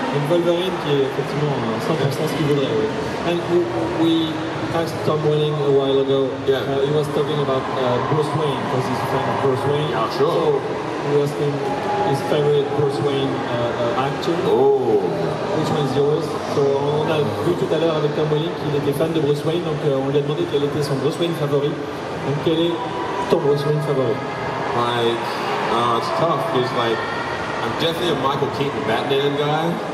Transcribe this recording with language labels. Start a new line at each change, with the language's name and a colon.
French: Wolverine qui est effectivement 100% ce qu'il voudrait, oui.
English: And we asked Tom Welling a while ago, yeah. He was talking about Bruce Wayne, because he's a fan of Bruce Wayne. Yeah, sure. So he was asking his favorite Bruce Wayne actor. Oh. Which one is yours?
French: So on a vu tout à l'heure avec Tom Welling qu'il était fan de Bruce Wayne, donc on lui a demandé quel était son Bruce Wayne favori. Donc quel est ton Bruce Wayne favori?
English: Like, it's tough, because like, I'm definitely a Michael Keaton Batman guy.